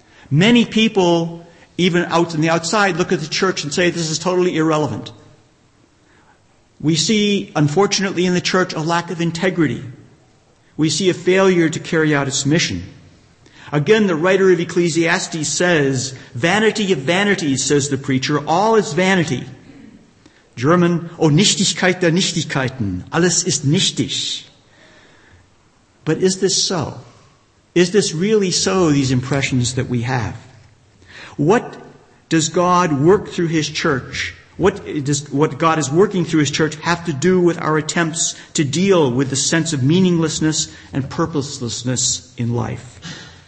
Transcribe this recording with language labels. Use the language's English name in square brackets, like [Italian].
[English] Many people, even out on the outside, look at the church and say this is totally irrelevant. We see, unfortunately, in the church a lack of integrity. We see a failure to carry out its mission. Again, the writer of Ecclesiastes says, "Vanity of vanities," says the preacher, "all is vanity." [German] German, "O Nichtigkeit der Nichtigkeiten," alles ist nichtig. [English] But is this so? Is this really so, these impressions that we have? What does God work through His church? What God is working through His church have to do with our attempts to deal with the sense of meaninglessness and purposelessness in life?